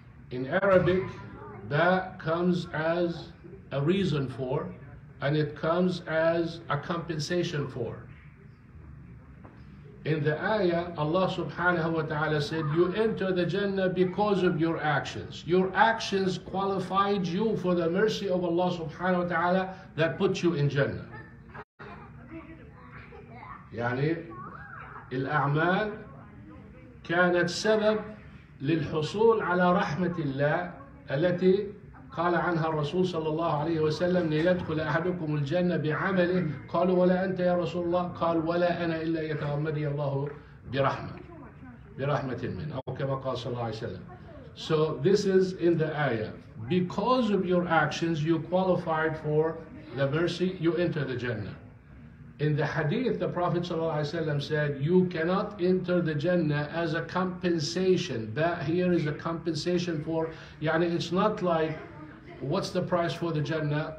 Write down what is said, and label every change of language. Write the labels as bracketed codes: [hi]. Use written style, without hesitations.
[en] In Arabic, ba comes as a reason for, and it comes as a compensation for. In the ayah, Allah subhanahu wa ta'ala said, you enter the Jannah because of your actions. Your actions qualified you for the mercy of Allah subhanahu wa ta'ala that put you in Jannah. [ar] يعني الأعمال كانت سبب للحصول على رحمة الله التي قال عنها الرسول صلى الله عليه وسلم ليدخل أحدكم الجنة بعمله. قالوا ولا أنت يا رسول الله؟ قال ولا أنا إلا يتغمدني الله برحمة من أو كما قال صلى الله عليه وسلم. [en] So this is in the ayah. Because of your actions you qualified for the mercy, you enter the Jannah. In the hadith, the Prophet ﷺ said, you cannot enter the Jannah as a compensation. That here is a compensation for, يعني it's not like, what's the price for the Jannah?